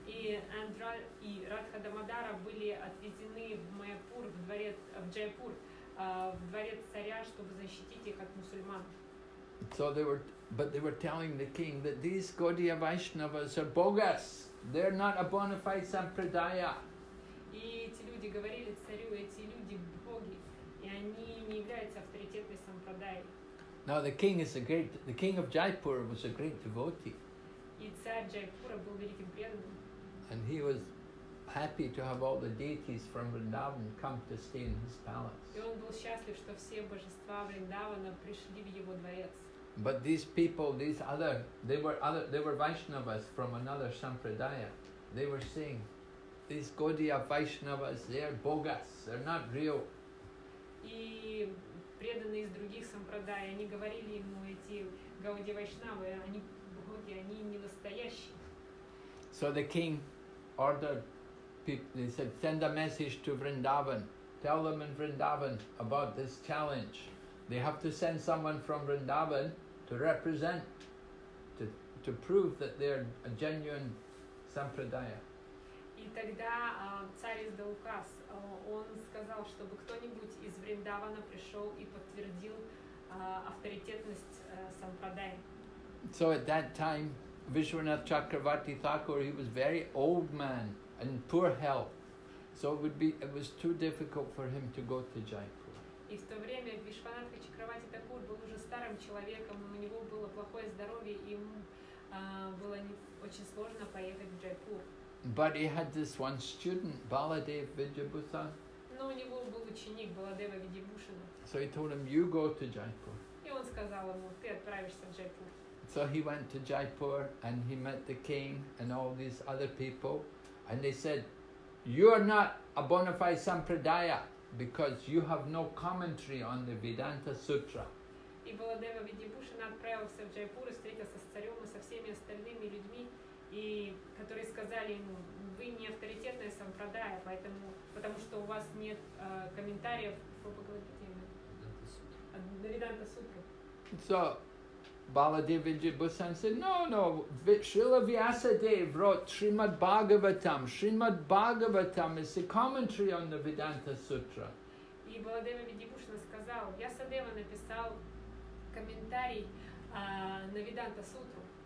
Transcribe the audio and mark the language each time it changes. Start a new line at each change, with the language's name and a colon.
Russian: И Радха Дамодара были отвезены в Майяпур, в дворец в Джайпур, в дворец царя, чтобы защитить их от мусульман.
English: So they were telling the king that these Gaudiya Vaishnavas are bogus. They're not a bona fide sampradaya.
Russian: И эти люди говорили царю, эти люди боги, и они не являются авторитетной сампрадаей.
English: Now the king is a great. The king of Jaipur was a great devotee.
Russian: И царь Джайпура был великим преданным.
English: And he was happy to have all the deities from Vrindavan come to stay in his palace.
Russian: И он был счастлив, что все божества Вриндавана пришли в его дворец.
English: But these people, these other, they were Vaishnavas from another sampradaya. They were saying, these Gaudiya Vaishnavas, they are bogus. They're not real.
Russian: И преданные из других сампрадай, они говорили ему эти гауди вайшнавы, они боги, они не настоящие.
English: So the king ordered people, he said, send a message to Vrindavan. Tell them in Vrindavan about this challenge. They have to send someone from Vrindavan to represent, to prove that they're a genuine sampradaya.
Russian: И тогда царь издал указ. Он сказал, чтобы кто-нибудь из Вриндавана пришел и подтвердил авторитетность сампрадая.
English: So at that time, Vishwanath Chakravarti Thakur, he was very old man and poor health. So it was too difficult for him to go to Jaipur.
Russian: И в то время Вишванатх Чакравати Такур был уже старым человеком, у него было плохое здоровье, и ему было очень сложно поехать в Джайпур.
English: But he had this one student, Baladev Vidyabhushan.
Russian: Но у него был ученик Баладева Видьябхушана.
English: So he told him, you go to Jaipur.
Russian: И он сказал ему, ты отправишься в Джайпур.
English: So he went to Jaipur and he met the king and all these other people, and they said, you are not a bona fide sampradaya because you have no commentary on the Vedanta Sutra.
Russian: И Баладева Видьябхушана отправился в Джайпур и встретился с царем и со всеми остальными людьми, и которые сказали ему, вы не авторитетная сампрадая, поэтому, потому что у вас нет комментариев по Бхагавад-гите. Веданта Сутра.
English: So Baladev Vidyabhushan said, no, Srila Vyasadeva wrote Srimad Bhagavatam. Srimad Bhagavatam is the commentary on the Vedanta Sutra.
Russian: И Баладева Видьябхушана сказал, Ясадева написал комментарий на Веданта Сутру.